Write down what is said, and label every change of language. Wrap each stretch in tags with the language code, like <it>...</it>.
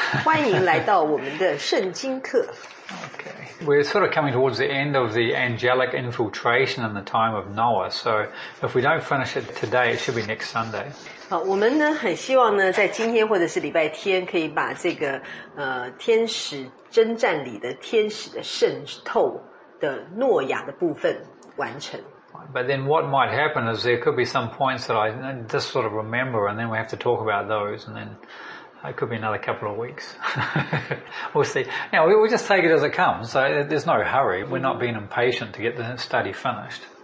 <zh>欢迎来到我们的圣经课。</zh> <en>Okay, we're sort of coming towards the end of the angelic infiltration in the time of Noah. So if we don't finish it today, it should be next Sunday.</en> <zh>我们呢很希望呢在今天或者是礼拜天可以把这个天使征战里的天使的渗透的诺亚的部分完成。</zh> <en>But then what might happen is there could be some points that I just sort of remember and then we have to talk about those and then it could be another couple of weeks. We'll see. Now, we'll just take it as it comes. So there's no hurry. We're not being impatient to get the study finished.</en>